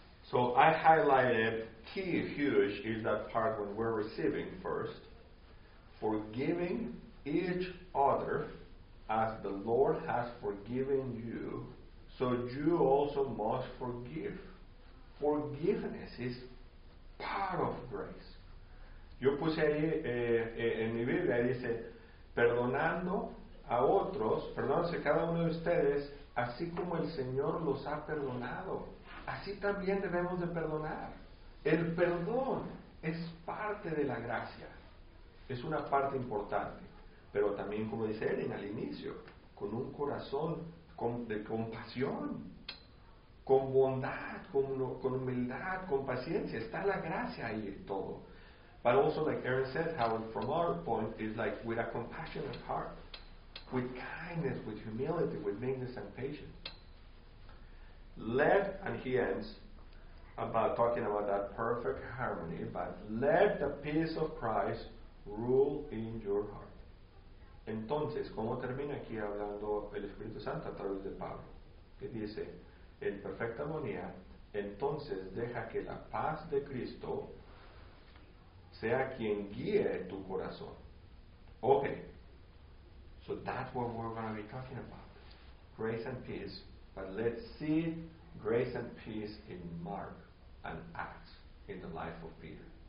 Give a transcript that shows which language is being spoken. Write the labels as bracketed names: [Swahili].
[English] So I highlighted key, huge, is that part when we're receiving first, forgiving each other as the Lord has forgiven you, so you also must forgive. Forgiveness is part of grace. [Spanish] Yo puse ahí en mi Biblia, dice, perdonando a otros, perdónense cada uno de ustedes, así como el Señor los ha perdonado. Así también debemos de perdonar. El perdón es parte de la gracia, es una parte importante, pero también, como dice Eren al inicio, con un corazón de compasión, con bondad, con humildad, con paciencia, está la gracia ahí en todo. [English] But also, like Aaron said, how from our point is like with a compassionate heart, with kindness, with humility, with meekness and patience. Let, and he ends about talking about that perfect harmony, but let the peace of Christ rule in your heart. [Spanish] Entonces, ¿cómo termina aquí hablando el Espíritu Santo a través de Pablo? Que dice, en perfecta armonía, entonces deja que la paz de Cristo sea quien guíe tu corazón. [English] Okay. So that's what we're going to be talking about. Grace and peace. But let's see grace and peace in Mark and Acts in the life of Peter.